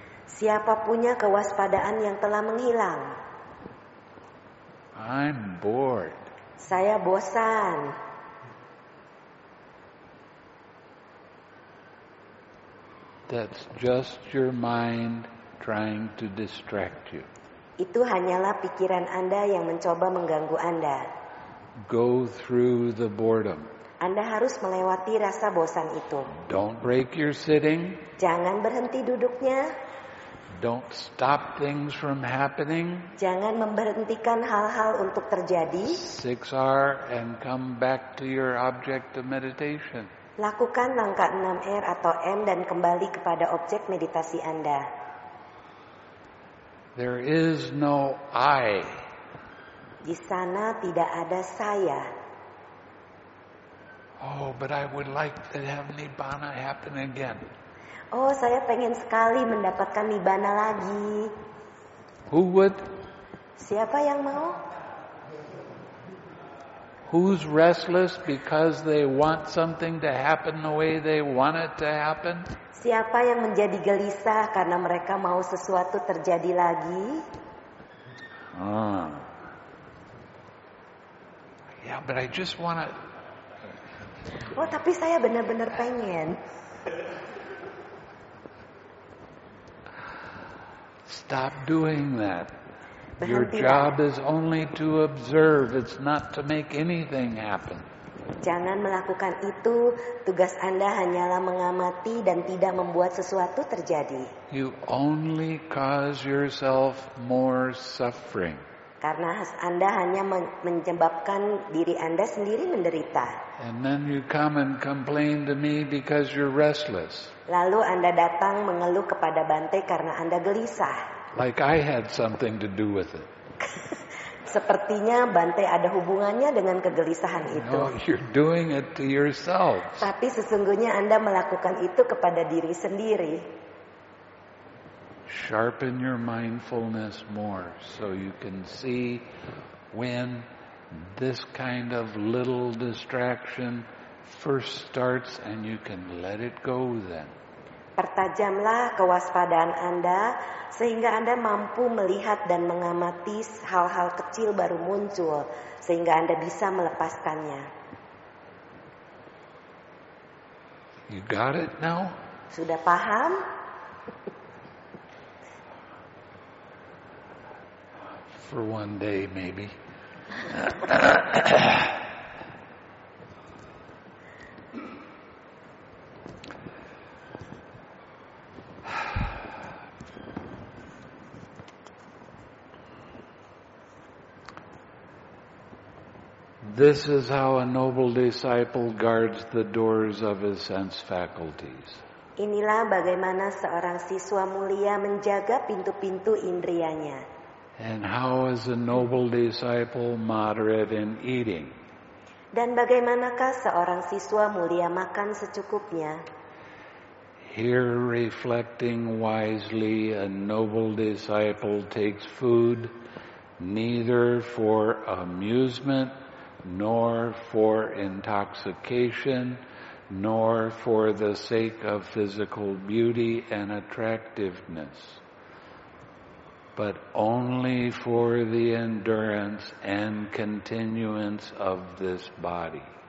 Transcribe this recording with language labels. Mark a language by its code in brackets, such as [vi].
[id] Siapa punya kewaspadaan yang telah menghilang? [en] I'm bored. [id] Saya bosan. [en] That's just your mind trying to distract you. [id] Itu hanyalah pikiran Anda yang mencoba mengganggu Anda. [en] Go through the boredom. [id] Anda harus melewati rasa bosan itu. [en] Don't break your sitting. [id] Jangan berhenti duduknya. [en] Don't stop things from happening. [id] Jangan memberhentikan hal-hal untuk terjadi. [en] 6R and come back to your object of meditation. [id] Lakukan langkah 6R atau M dan kembali kepada objek meditasi Anda. [en] There is no I. [id] Di sana tidak ada saya. [en] Oh, but I would like to have Nibbana happen again. [id] Oh, saya pengen sekali mendapatkan Nibbana lagi. [en] Who would? [id] Siapa yang mau? [en] Who's restless because they want something to happen the way they want it to happen? [id] Siapa yang menjadi gelisah karena mereka mau sesuatu terjadi lagi? [en] Yeah, but I just want to. [id] Oh, tapi saya benar-benar pengen. [en] Stop doing that. Your job is only to observe. It's not to make anything happen. [id] Jangan melakukan itu. Tugas Anda hanyalah mengamati dan tidak membuat sesuatu terjadi. [en] You only cause yourself more suffering. [id] Karena Anda hanya menyebabkan diri Anda sendiri menderita. [en] And then you come and complain to me because you're restless. [id] Lalu Anda datang mengeluh kepada Bante karena Anda gelisah. [en] Like I had something to do with it. [id] Sepertinya Bante ada hubungannya dengan kegelisahan itu. [en] No, you're doing it to yourself. [id] Tapi sesungguhnya Anda melakukan itu kepada diri sendiri. [en] Sharpen your mindfulness more so you can see when this kind of little distraction first starts and you can let it go then. [id] Pertajamlah kewaspadaan Anda sehingga Anda mampu melihat dan mengamati hal-hal kecil baru muncul sehingga Anda bisa melepaskannya. [en] You got it now? [id] Sudah paham? [en] For one day maybe. This is how a noble disciple guards the doors of his sense faculties. [id] Inilah bagaimana seorang siswa mulia menjaga pintu-pintu indrianya. [en] And how is a noble disciple moderate in eating? [id] Dan bagaimanakah seorang siswa mulia makan secukupnya? [en] Here reflecting wisely, a noble disciple takes food neither for amusement nor for intoxication, nor for the sake of physical beauty and attractiveness, but only for the endurance and continuance of this body.